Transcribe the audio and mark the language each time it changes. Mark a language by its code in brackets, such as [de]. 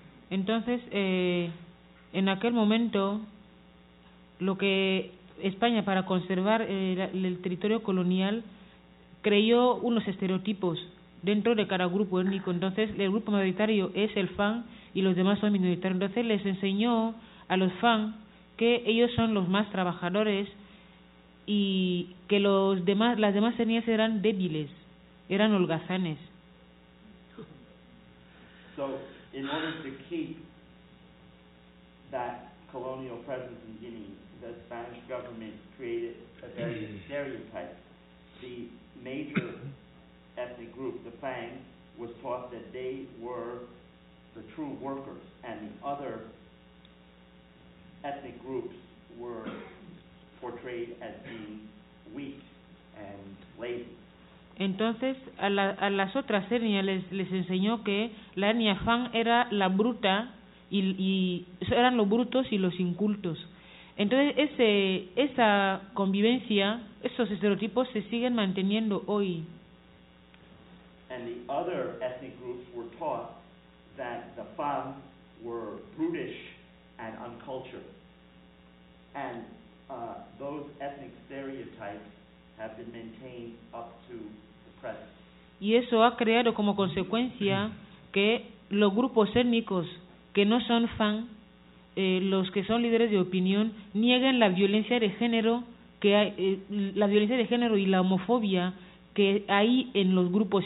[es] Entonces, en aquel momento, lo que España, para conservar el territorio colonial, creó unos estereotipos dentro de cada grupo étnico. Entonces, el grupo mayoritario es el Fan y los demás son minoritarios. Entonces, les enseñó a los Fan que ellos son los más trabajadores y que las demás etnias eran débiles, eran holgazanes. [en] So, in order to keep that colonial presence in Guinea, the Spanish government created a very stereotype. The major ethnic group, the Fang, was taught that they were the true workers, and the other ethnic groups were portrayed as being weak and lazy. [es] Entonces, a las otras etnias les enseñó que la etnia Fang era la bruta, y eran los brutos y los incultos. Entonces esa convivencia, esos estereotipos se siguen manteniendo hoy. [en] And the other ethnic groups were taught that the Fang were brutish and uncultured. And those ethnic stereotypes have been maintained up to the present. [es] Y eso ha creado como consecuencia que los grupos étnicos que no son Fang, los que son líderes de opinión, niegan la violencia de género que hay, la violencia de género y la homofobia que hay en los grupos.